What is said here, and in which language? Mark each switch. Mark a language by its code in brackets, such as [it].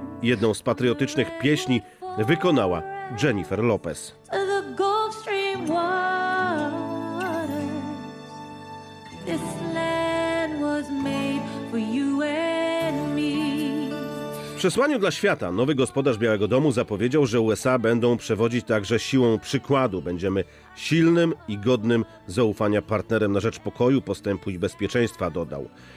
[pl] Jedną z patriotycznych pieśni wykonała Jennifer Lopez. [en] To the Gulf Stream waters. This land was made for you and me. [pl] W przesłaniu dla świata nowy gospodarz Białego Domu zapowiedział, że USA będą przewodzić także siłą przykładu. Będziemy silnym i godnym zaufania partnerem na rzecz pokoju, postępu i bezpieczeństwa, dodał.